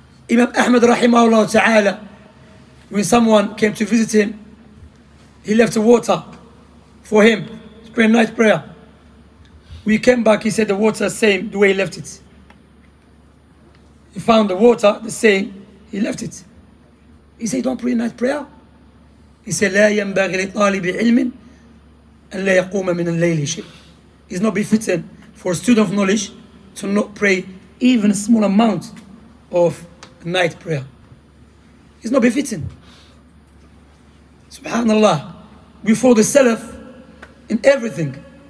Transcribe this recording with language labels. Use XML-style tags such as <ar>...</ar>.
<en>Imam Ahmad rahimahullah ta'ala, when someone came to visit him, he left the water for him to pray night prayer. When he came back, he said the water the same the way he left it. He found the water the same, he left it. He said, don't pray night prayer. He said,</en> <ar>لا ينبغي لطالب علم أن لا يقوم من الليل شيء.</ar> <en>It's not befitting for a student of knowledge to not pray even a small amount of night prayer. It's not befitting. Subhanallah. Before the Salaf in everything.</en>